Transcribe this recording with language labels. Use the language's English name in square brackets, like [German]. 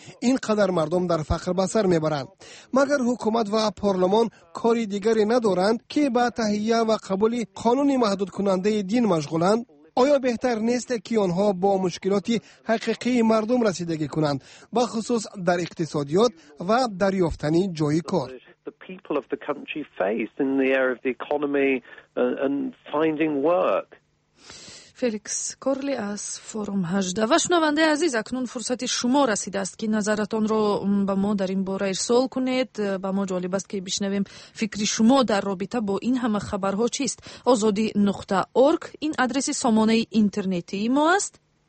[Persian] این قدر مردم در فقر به سر میبرند. مگر حکومت و پارلمان کاری دیگری ندارند که با تهیه و قبول قانون محدود کننده دین مشغولند؟ آیا بهتر نیست که آنها با مشکلات حقیقی مردم رسیدگی کنند، بخصوص در اقتصادیات و در یافتن جای کار؟ [English] The people of the country face in the area of the economy and finding work. [Persian] فلیکس کورلی از فورم 18. و شنونده عزیز، اکنون فرصت شما رسیده است که نظرتان را با ما در این باره ارسال کنید. با ما جالب است که بشنویم فکری شما در رابطه با این همه خبرها چیست. ozodi.org این آدرس سامانه اینترنتی ما است.